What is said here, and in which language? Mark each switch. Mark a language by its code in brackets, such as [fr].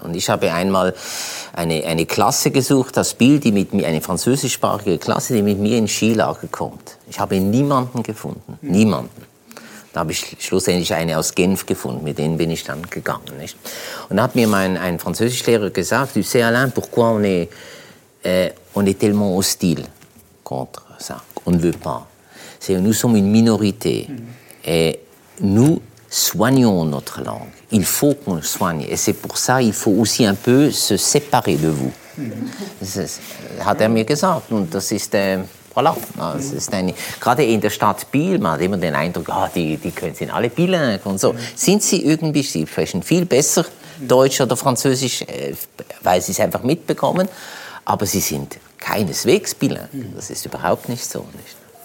[de] Und ich habe einmal eine Klasse gesucht aus Biel, die mit mir, eine französischsprachige Klasse, die mit mir in Skilage kommt. Ich habe niemanden gefunden. Niemanden. Da habe ich schlussendlich eine aus Genf gefunden, mit denen bin ich dann gegangen, nicht? Und da hat mir mein Französischlehrer gesagt, [fr] tu sais, Alain, pourquoi on est tellement hostile contre ça? On ne veut pas. C'est, nous sommes une minorité. Et nous soignons notre langue. Il faut qu'on le soigne. Et c'est pour ça, il faut aussi un peu se séparer de vous. [de] Das hat er mir gesagt. Und das ist, voilà. Das ist gerade in der Stadt Biel, man hat immer den Eindruck, ah, die können sind alle Bielen und so. Sind sie irgendwie, sie sprechen viel besser Deutsch oder Französisch, weil sie es einfach mitbekommen. Aber sie sind keineswegs Bielen. Das ist überhaupt nicht so, nicht?